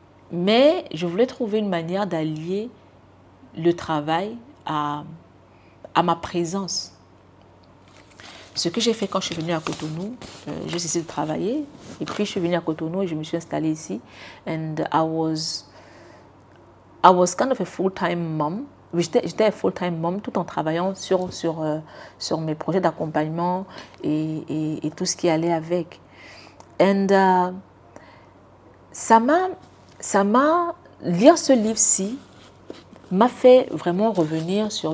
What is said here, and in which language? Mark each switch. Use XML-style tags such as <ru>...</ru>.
<fr>Mais je voulais trouver une manière d'allier le travail à ma présence. Ce que j'ai fait quand je suis venue à Cotonou, j'ai cessé de travailler. Et puis, je suis venue à Cotonou et je me suis installée ici.</fr> <en>And I was kind of a full-time mom.</en> <fr>J'étais</fr> <en>a full-time mom</en> <fr>tout en travaillant sur mes projets d'accompagnement et tout ce qui allait avec. And ça m'a... Lire ce livre-ci m'a fait vraiment revenir sur...</fr>